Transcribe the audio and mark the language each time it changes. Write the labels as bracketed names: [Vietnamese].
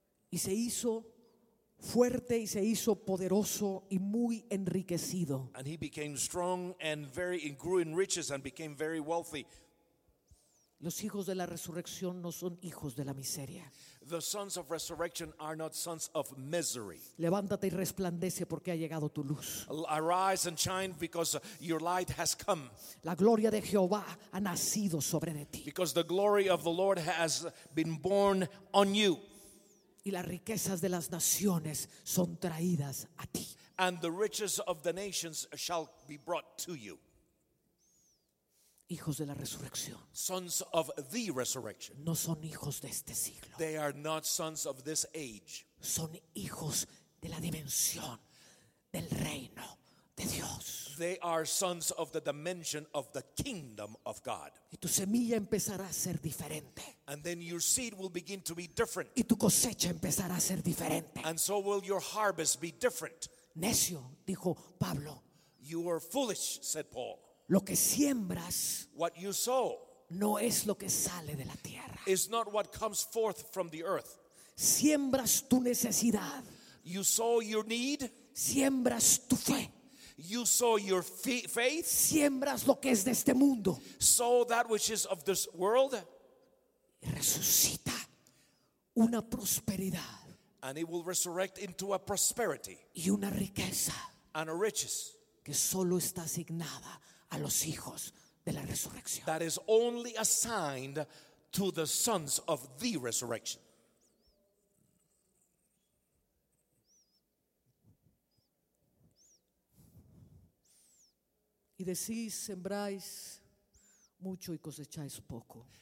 [Spanish] Y se hizo fuerte y se hizo poderoso y muy enriquecido. [English] And he became strong and very grew in riches and became very wealthy. [Spanish] Los hijos de la resurrección no son hijos de la miseria. [English] The sons of resurrection are not sons of misery. [Spanish] Levántate y resplandece porque ha llegado tu luz. [English] Arise and shine because your light has come. [Spanish] La gloria de Jehová ha nacido sobre de ti. [English] Because the glory of the Lord has been born on you. [Spanish] Y las riquezas de las naciones son traídas a ti. [English] And the riches of the nations shall be brought to you. [Spanish] Hijos de la resurrección. [English] Sons of the resurrection. [Spanish] No son hijos de este siglo. [English] They are not sons of this age. [Spanish] Son hijos de la dimensión del reino de Dios. [English] They are sons of the dimension of the kingdom of God. [Spanish] Y tu semilla empezará a ser diferente. [English] And then your seed will begin to be different. [Spanish] Y tu cosecha empezará a ser diferente. [English] And so will your harvest be different. [Spanish] Necio, dijo Pablo. [English] You are foolish, said Paul. [Spanish] Lo que siembras, [English] what you sow, [Spanish] no es lo que sale de la tierra. [English] Is not what comes forth from the earth. [Spanish] Siembras tu necesidad. [English] You sow your need. [Spanish] Siembras tu fe. [English] You sow your faith. [Spanish] Siembras lo que es de este mundo. [English] Sow that which is of this world. [Spanish] Y resucita una prosperidad. [English] And it will resurrect into a prosperity. [Spanish] Y una riqueza. [English] And a riches. [Spanish] Que solo está asignada a los hijos de la resurrección. [English] That is only assigned to the sons of the resurrection. [Spanish] Y decís, sembráis mucho y cosecháis poco.